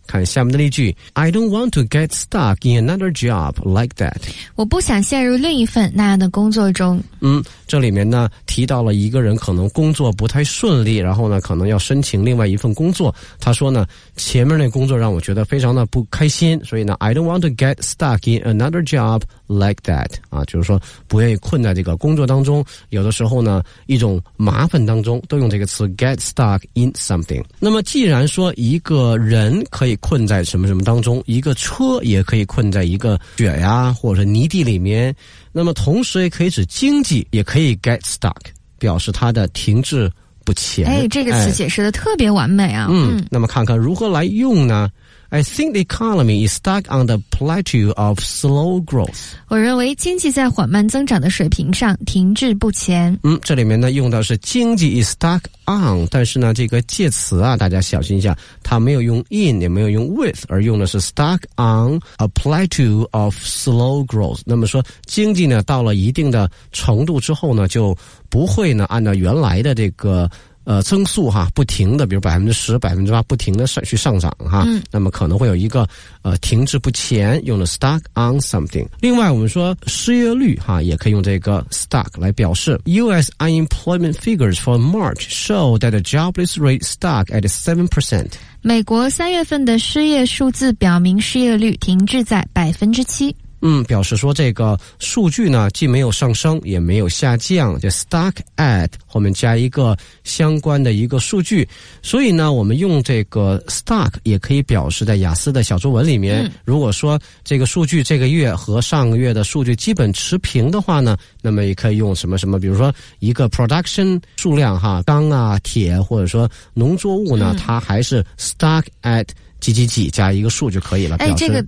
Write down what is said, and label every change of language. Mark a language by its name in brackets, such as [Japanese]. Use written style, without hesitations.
[Chinese] 看下面的例句， [English] I don't want to get stuck in another job like that， [Chinese] 我不想陷入另一份那样的工作中。这里面呢提到了一个人可能工作不太顺利，然后呢可能要申请另外一份工作，他说呢前面那工作让我觉得非常的不开心，所以呢 [English] I don't want to get stuck in another job like that， [Chinese] 就是说不愿意困在这个工作当中，有的时候呢一种麻烦当中，都用这个词 [English] get stuck in something。 [Chinese] 那么既然说一个人可以困在什么什么当中，一个车也可以困在一个雪呀或者泥地里面，那么同时也可以指经济，也可以 get stuck 表示它的停滞不前。这个词解释的特别完美啊。那么看看如何来用呢。 [English] I think the economy is stuck on the plateau of slow growth， [Chinese] 我认为经济在缓慢增长的水平上停滞不前。这里面呢用到是经济 is stuck on， 但是呢这个介词啊大家小心一下，它没有用 in 也没有用 with， 而用的是 [English] stuck on a plateau of slow growth， [Chinese] 那么说经济呢到了一定的程度之后呢就不会呢按照原来的这个增速哈不停的，比如10%、8%不停的去上涨哈。那么可能会有一个停滞不前，用了 stuck on something。另外我们说失业率哈也可以用这个 stuck 来表示。 [English] US unemployment figures for March show that the jobless rate stuck at 7%。 [Chinese] 美国三月份的失业数字表明失业率停滞在7%。表示说这个数据呢既没有上升也没有下降，就 stuck at 后面加一个相关的一个数据。所以呢我们用这个 stuck 也可以表示在雅思的小作文里面，如果说这个数据这个月和上个月的数据基本持平的话呢，那么也可以用什么什么，比如说一个 production 数量哈，钢啊铁或者说农作物呢，它还是 stuck at几几几加一个数就可以了，表示